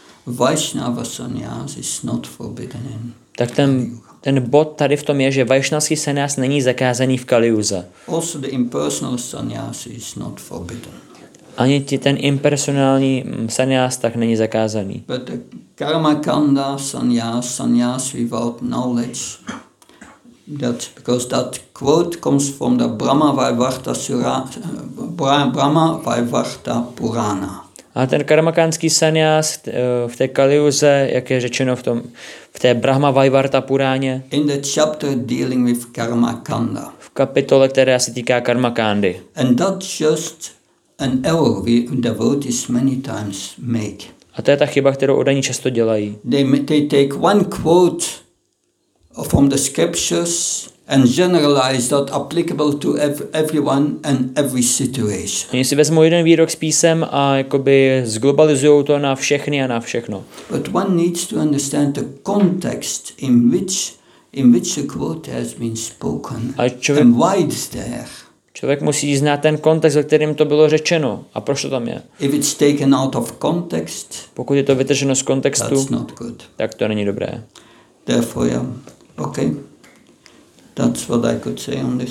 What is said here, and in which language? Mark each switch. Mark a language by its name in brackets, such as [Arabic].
[English] Vaishnava sannyas is not forbidden in. [Czech] Tak ten bod tady v tom je, že vaishnavský sannyas není zakázaný v Kaliuze. [English] Also the impersonal sannyas is not forbidden. [Czech] Ani ti ten impersonální sannyas tak není zakázaný. [English] But the karmakanda sannyas, sannyas without knowledge, that because that quote comes from the Brahma Vaivarta Sura, Brahma Vaivarta Purana. [Czech] A ten karmakanský sannyas v té Kaliuze, jak je řečeno v tom v té Brahma Vaivarta Puráně. [English] In the chapter dealing with karmakanda. [Czech] V kapitole, která se týká karmakandy. [English] And that just an error we devotees many times make. [Czech] A to je ta chyba, kterou odaní často dělají. [English] They take one quote from the scriptures and generalize that applicable to everyone and every situation. [Czech] Oni si vezmou jeden výrok z písem a jakoby zglobalizujou to na všechny a na všechno. [English] But one needs to understand the context in which the quote has been spoken and why it's there. [Czech] Člověk musí znát ten kontext, ve kterém to bylo řečeno a proč to tam je. [English] If it's taken out of context, [Czech] pokud je to vytrženo z kontextu, [English] that's not good. [Czech] Tak to není dobré. [English] Therefore, yeah. Okay. That's what I could say on this.